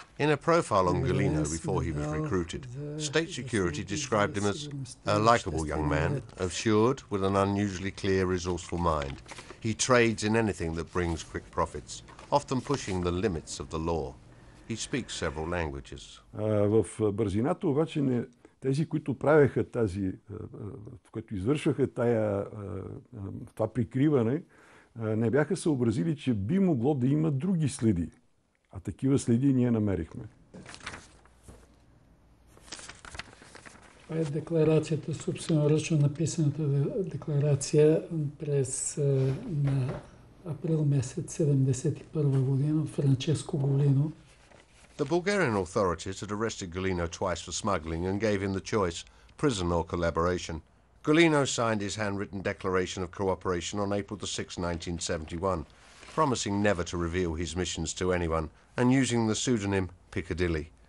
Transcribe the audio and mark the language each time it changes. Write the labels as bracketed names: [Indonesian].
[English] In a profile on Gulino before he was recruited, state security described him as a likable young man, assured, with an unusually clear, resourceful mind. He trades in anything that brings quick profits, often pushing the limits of the law. He speaks several languages. [Bulgarian] В бързината обаче не тези, които правеха тази, които извършваха тая това прикриване, не бяха съобразили, че би могло да има други следи. А такива следи ние намерихме. Това е декларацията, собственоръчно написаната декларация през на април месец 71 година от Франческо Голино. [English] The Bulgarian authorities had arrested Golino twice for smuggling and gave him the choice, prison or collaboration. Golino signed his handwritten declaration of cooperation on April the 6th, 1971, promising never to reveal his missions to anyone and using the pseudonym Piccadilly.